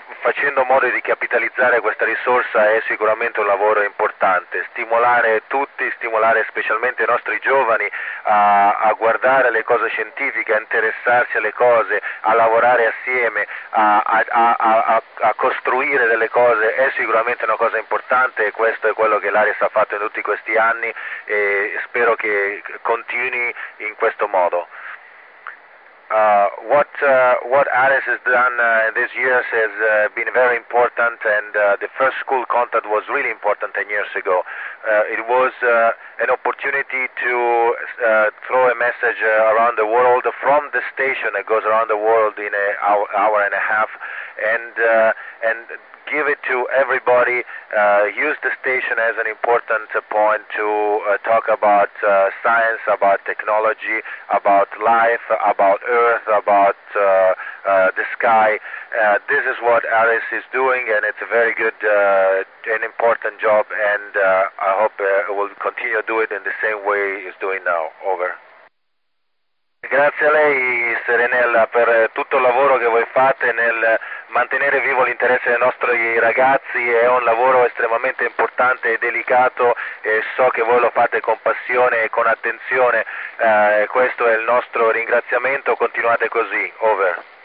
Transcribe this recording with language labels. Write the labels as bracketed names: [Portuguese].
[Italian] facendo modo di capitalizzare questa risorsa è sicuramente un lavoro importante, stimolare tutti, stimolare specialmente i nostri giovani a guardare le cose scientifiche, a interessarsi alle cose, a lavorare assieme, a costruire delle cose, è sicuramente una cosa importante, e questo è quello che l'ARIS ha fatto in tutti questi anni e spero che continui in questo modo. [English] What ARIS has done these years has been very important, and the first school contact was really important 10 years ago. It was an opportunity to throw a message around the world from the station that goes around the world in an hour and a half, and give it to everybody, use the station as an important point to talk about science, about technology, about life, about Earth, about the sky. This is what ARIS is doing, and it's a very good and important job, and I hope it will continue to do it in the same way it's doing now. Over. [Italian] grazie a lei, Serenella, per tutto il lavoro che voi fate nel mantenere vivo l'interesse dei nostri ragazzi. È un lavoro estremamente importante e delicato, e so che voi lo fate con passione e con attenzione. Questo è il nostro ringraziamento, continuate così. Over.